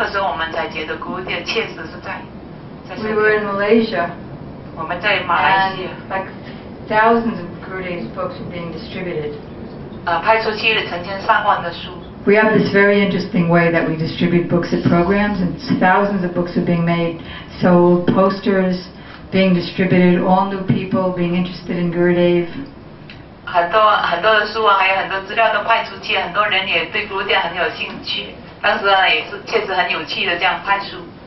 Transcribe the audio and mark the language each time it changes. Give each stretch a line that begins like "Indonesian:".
Chinese: 三个星期前有一些很不好的事情就发生在我和我上帝的身上。其实那个时候我们才觉得Gurudev确实是在。
English: We were in Malaysia.
Chinese: 我们在马来西亚。
English: Like thousands of Gurudev's books were being distributed.
Chinese: 派出去了成千上万的书。
English: We have this very interesting way that we distribute books at programs, and thousands of books are being made, sold, posters being distributed, all new people being interested in Gurudev.
Chinese: 很多的书啊，还有很多资料都派出去，很多人也对Gurudev很有兴趣。当时呢，也是确实很有趣的这样派出。